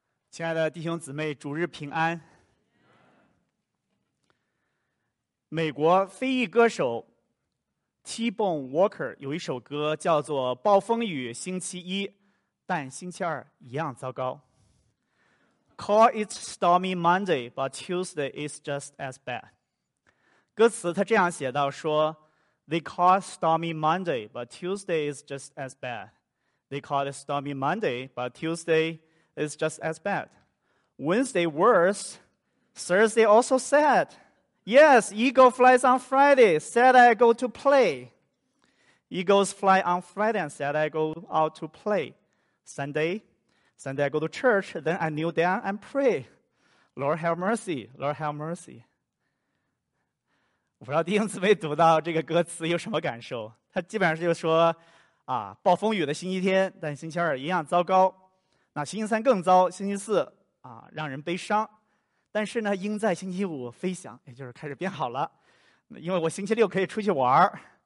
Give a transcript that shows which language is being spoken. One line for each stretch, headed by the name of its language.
Chinese: 亲爱的弟兄姊妹，主日平安。美国非裔歌手 T-Bone Walker 有一首歌叫做《暴风雨星期一》，但星期二一样糟糕。
English: Call it stormy Monday, but Tuesday is just as bad。歌词他这样写到说：“They call it stormy Monday, but Tuesday is just as bad. They call it stormy Monday, but Tuesday.” It's just as bad. Wednesday worse. Thursday also sad. Yes, eagle flies on Friday. Sad I go to play. Eagles fly on Friday and sad I go out to play. Sunday I go to church. Then I kneel down and pray. Lord have mercy. Lord have mercy.
Chinese: 我不知道弟兄姊妹读到这个歌词有什么感受。他基本上就说啊，暴风雨的星期天，但星期二一样糟糕。那星期三更糟，星期四啊让人悲伤，但是呢鹰在星期五飞翔，也就是开始变好了，因为我星期六可以出去玩。